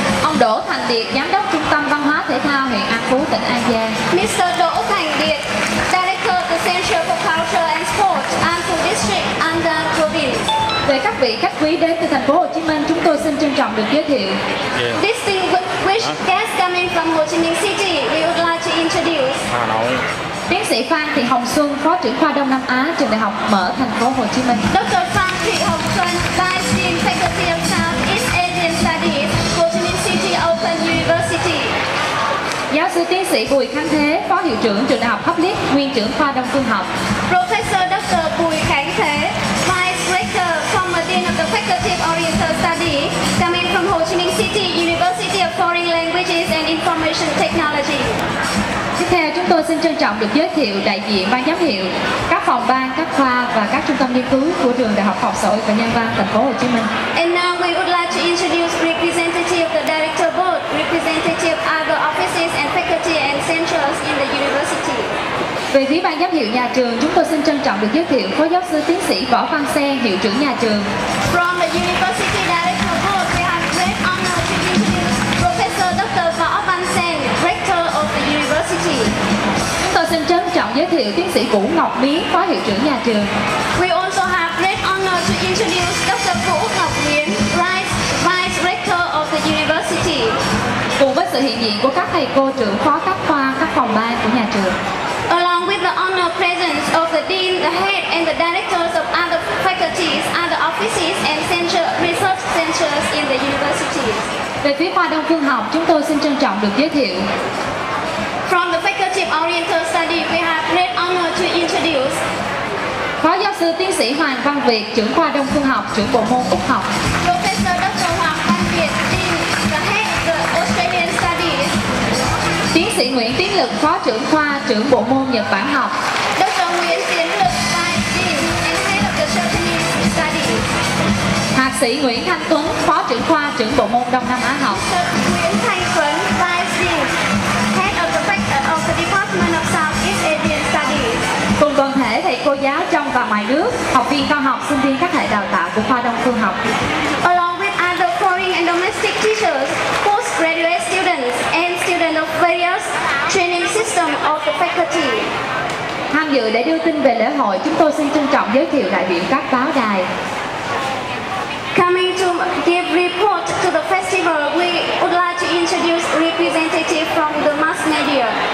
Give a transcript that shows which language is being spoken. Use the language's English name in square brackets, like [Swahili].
[Vietnamese] Ông Đỗ Thành Điệt, giám đốc trung tâm văn hóa thể thao huyện An Phú, tỉnh An Giang. [English] Mr. Đỗ Thành Điệt, director of the Center for Culture and Sport and for district and then province. [Vietnamese] Về các vị khách quý đến từ thành phố Hồ Chí Minh, chúng tôi xin trân trọng được giới thiệu. [English] Distinguished guests coming from Ho Chi Minh City, we would like to introduce. [Vietnamese] Hà Nội. Tiến sĩ Phan Thị Hồng Xuân, Phó trưởng khoa Đông Nam Á, trường đại học Mở, thành phố Hồ Chí Minh. [English] Dr. Phan Thị Hồng Xuân, Vice Dean, Faculty of Southeast Asian Studies, Ho Chi Minh City Open University. [Vietnamese] Giáo sư tiến sĩ Bùi Khánh Thế, Phó hiệu trưởng trường đại học Public, nguyên trưởng khoa Đông Phương học. [English] Professor Dr. Bùi Khánh Thế, Vice Rector, Former Dean of the Faculty of Oriental Studies, coming from Ho Chi Minh City University of Foreign Languages and Information Technology. [Vietnamese] Tiếp theo, chúng tôi xin trân trọng được giới thiệu đại diện ban giám hiệu, các phòng ban, các khoa và các trung tâm nghiên cứu của trường Đại học Học xã hội và Nhân văn thành phố Hồ Chí Minh. [English] And now we would like to introduce representative of the director board, representative of other offices and faculty and centers in the university. [Vietnamese] Về phía ban giám hiệu nhà trường, chúng tôi xin trân trọng được giới thiệu phó giáo sư tiến sĩ Võ Văn Xe, hiệu trưởng nhà trường. [English] From the university director board, we have great honor to introduce Professor Dr. Võ Văn Xe, rector of the university. [Vietnamese] Chúng tôi xin trân trọng giới thiệu tiến sĩ Vũ Ngọc Miến, phó hiệu trưởng nhà trường. [English] We also have great honor to introduce Dr. Vũ Ngọc Miến, vice rector of the university. [Vietnamese] Cùng với sự hiện diện của các thầy cô trưởng phó các khoa, các phòng ban của nhà trường. [English] Along with the honor presence of the dean, the head and the directors of other faculties, other offices and center, research centers in the university. [Vietnamese] Về phía khoa Đông Phương học, chúng tôi xin trân trọng được giới thiệu. [English] From the Faculty of Oriental Studies, we have great honor to introduce [Vietnamese] phó giáo sư tiến sĩ Hoàng Văn Việt, trưởng khoa Đông Phương học, trưởng bộ môn Úc học. [English] Professor Dr. Hoàng Văn Việt, dean, the head of the Australian Studies. [Vietnamese] Tiến sĩ Nguyễn Tiến Lực, phó trưởng khoa, trưởng bộ môn Nhật Bản học. [English] Dr. Nguyễn Tiến Lực, Vice Dean and Head of the Japanese Studies. [Vietnamese] Thạc sĩ Nguyễn Thanh Tuấn, phó trưởng khoa, trưởng bộ môn Đông Nam Á học. [English] Dr. Nguyễn Thanh Tuấn, Vice Dean, Head of the Faculty of the Department of Southeast Asian Studies. [Vietnamese] Cùng toàn thể thầy cô giáo trong và ngoài nước, học viên cao học, sinh viên các hệ đào tạo của khoa Đông Phương học. [English] Along with other foreign and domestic teachers, postgraduate students and students of various training system of the faculty. [Vietnamese] Tham dự để đưa tin về lễ hội, chúng tôi xin trân trọng giới thiệu đại biểu các báo đài. [English] Coming to give report to the festival, we would like to introduce representative from the mass media.